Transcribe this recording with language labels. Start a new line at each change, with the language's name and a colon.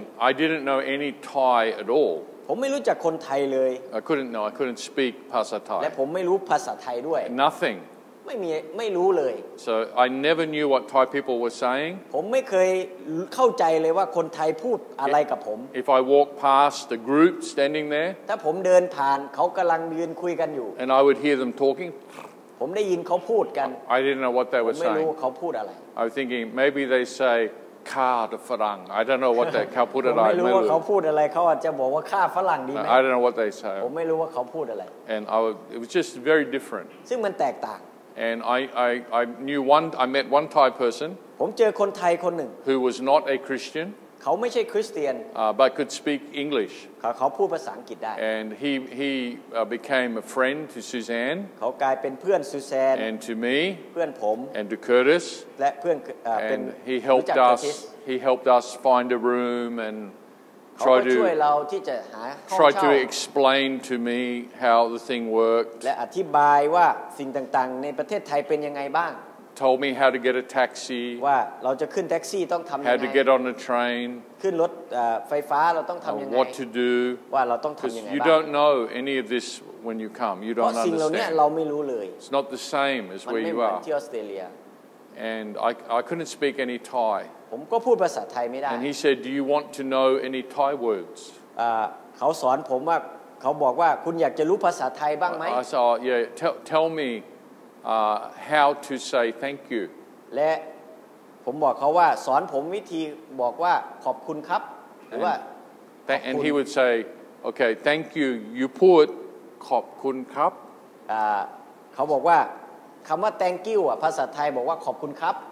English: And I didn't know any Thai at all
Thai: ผมไม่รู้จักคนไทยเลย
English: I couldn't speak ภาษาไทย
Thai: และผมไม่รู้ภาษาไทยด้วย
English: Nothing
Thai: ไม่รู้เลย
English: So I never knew what Thai people were saying
Thai: ผมไม่เคยเข้าใจเลยว่าคนไทยพูดอะไรกับผม
English: If I walk past the group standing there
Thai: ถ้าผมเดินผ่านเขากำลังยืนคุยกันอยู่
English: And I would hear them talking
Thai: ผมได้ยินเขาพูดกัน
English: I didn't know what they were saying
Thai: ไม่รู้เขาพูดอะไร
English: I was thinking maybe they say
Thai: ข้าเดฝรั่ง
English: I don't know what they
Thai: เขาพูดอะไร ไม่รู้ว่าเขาพูดอะไรเขาอาจจะบอกว่าข้าฝรั่งดีไหม
English: I don't know what they say
Thai: ผมไม่รู้ว่าเขาพูดอะไร
English: And it was just very different
Thai: ซึ่งมันแตกต่าง
English: And I knew one. I met one Thai person.
Thai: ผมเจอคนไทยคนหนึ่ง
English: who was not a Christian.
Thai: เขาไม่ใช่คริสเตียน
English: but could speak English.
Thai: เขาพูดภาษาอังกฤษได้
English: And he became a friend to Suzanne.
Thai: เขากลายเป็นเพื่อนซูแซน
English: And to me.
Thai: เพื่อนผม
English: And to Curtis.
Thai: และเพื่อน
English: And he helped us. He helped us find a room and try to.
Thai: เขาช่วยเราที่จะหาห้องเช่า
English: Try to explain to me how the thing worked.
Thai: และอธิบายว่าสิ่งต่างๆในประเทศไทยเป็นยังไงบ้าง
English: Told me how to get a taxi
Thai: ว่าเราจะขึ้นแท็กซี่ต้องทำยังไง
English: How to get on the train
Thai: ขึ้นรถไฟฟ้าเราต้องทำยังไง
English: What to do
Thai: ว่าเราต้องทำยังไงบ้าง
English: You don't know any of this when you come you don't understand
Thai: เพราะสิ่งเหล่านี้เราไม่รู้เลย
English: It's not the same as where you are
Thai: มันไม่เหมือนที่ออสเตรเลีย
English: And I couldn't speak any Thai
Thai: ผมก็พูดภาษาไทยไม่ได้
English: And he said do you want to know any Thai words
Thai: เขาสอนผมว่าเขาบอกว่าคุณอยากจะรู้ภาษาไทยบ้างไหม
English: I saw yeah tell me how to say thank you
Thai: และผมบอกเขาว่าสอนผมวิธีบอกว่าขอบคุณครับหรือว่า
English: and he would say okay thank you put
Thai: ขอบคุณครับ เขาบอกว่าคำว่า
English: thank you
Thai: อ่ะภาษาไทยบอกว่าขอบคุณครับ